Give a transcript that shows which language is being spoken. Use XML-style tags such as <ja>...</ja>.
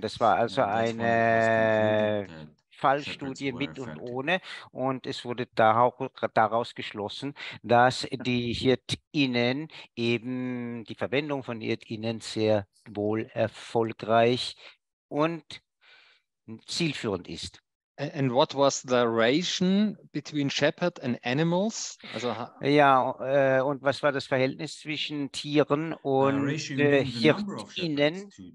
<de>Das war also eine Fallstudie mit und ohne, und es wurde daraus geschlossen, dass die Hirtinnen eben die Verwendung von Hirtinnen sehr wohl erfolgreich und zielführend ist.</de> <en>And what was the ration between shepherd and animals?</en> <de>Also, ja, und was war das Verhältnis zwischen Tieren und Hirtinnen?</de>